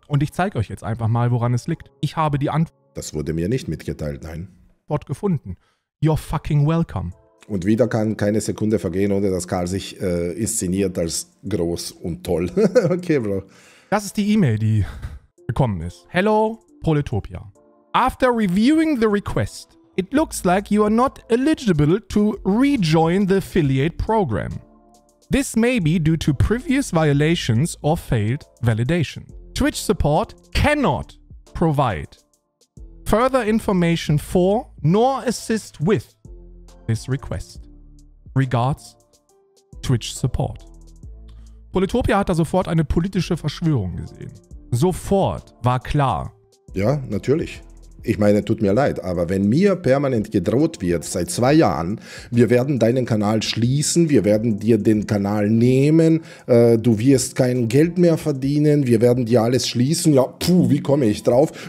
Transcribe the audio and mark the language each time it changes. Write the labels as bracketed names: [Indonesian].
[German] Und ich zeige euch jetzt einfach mal, woran es liegt. Ich habe die Antwort... Das wurde mir nicht mitgeteilt, nein. ... wort gefunden. [English] You're fucking welcome. [German] Und wieder kann keine Sekunde vergehen, ohne dass Karl sich inszeniert als groß und toll. Okay, Bro. Das ist die E-Mail, die gekommen ist. [English] Hello, Proletopia. After reviewing the request, it looks like you are not eligible to rejoin the affiliate program. This may be due to previous violations or failed validation. Twitch support cannot provide further information for nor assist with this request. Regards, Twitch support. [German] Proletopia hat da sofort eine politische Verschwörung gesehen. Sofort war klar. Ja, natürlich. Ich meine, tut mir leid, aber wenn mir permanent gedroht wird, seit 2 Jahren, wir werden deinen Kanal schließen, wir werden dir den Kanal nehmen, du wirst kein Geld mehr verdienen, wir werden dir alles schließen, ja, puh, wie komme ich drauf?